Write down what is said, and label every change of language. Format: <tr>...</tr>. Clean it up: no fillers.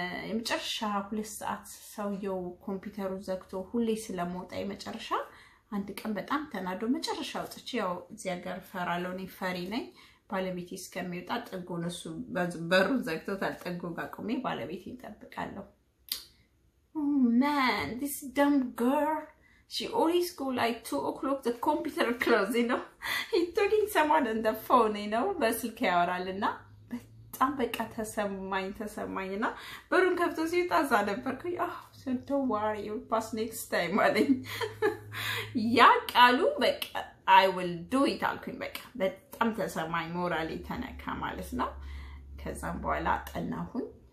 <am>የመጨረሻ ሁለት ሰዓት ሰውየው ኮምፒውተሩ ዘግቶ ሁሌ ስለመውጣ የመጨረሻ አንድ ቀን በጣም ተናዶ መጨረሻ ወጥቼ ያው እዚህ ሀገር ፈራለሁ እኔ ፈሪ ነኝ ባለቤቴ እስከሚወጣ ጥጎ ነሱ በሩ ዘግቶታል ጥጎ ጋር ቆሜ ባለቤቴ ይጠብቃለሁ።</am> <en>Oh man, this dumb girl. She always go like 2 o'clock, the computer closed, you know. He talking someone on the phone, you know.</en> <am>በስልክ ያወራልና በጣም በቃ ተሰማኝና በሩን ከፍቶ ሲታዛ ነበርኩ።</am> <en>Oh, so don't worry, you'll pass next time,</en> <am>አለኝ። ያ ቃሉ በቃ</am> <en>I will do it</en> <am>አልኩኝ በቃ በጣም ተሰማኝ ሞራሌ ተነካ ማለት ነው። ከዛም በኋላ አጠናሁኝ</am>